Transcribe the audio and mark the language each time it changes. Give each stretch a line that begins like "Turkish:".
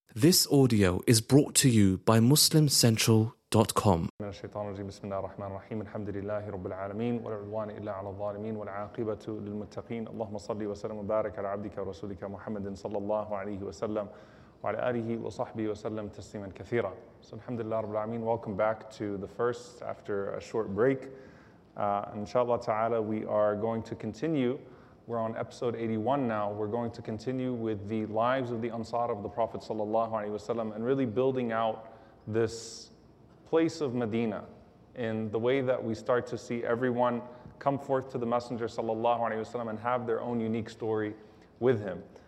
English: This audio is brought to you by MuslimCentral.com.
Arabic: من الشيطان الرجيم بسم الله الرحمن الرحيم الحمد لله رب العالمين ولا عدوان إلا على الظالمين والعاقبة للمتقين اللهم صل وسلم وبارك على عبدك ورسولك محمد صلى الله عليه وسلم وعلى آله وصحبه وسلم تسليما كثيرا.
English: So
Arabic: الحمد لله رب العالمين.
English: Welcome back to the first after a short break. Inshallah ta'ala, we are going to continue. We're on episode 81 now. We're going to continue with the lives of the Ansar of the Prophet sallallahu alaihi wasallam and really building out this place of Medina in the way that we start to see everyone come forth to the Messenger sallallahu alaihi wasallam and have their own unique story with him.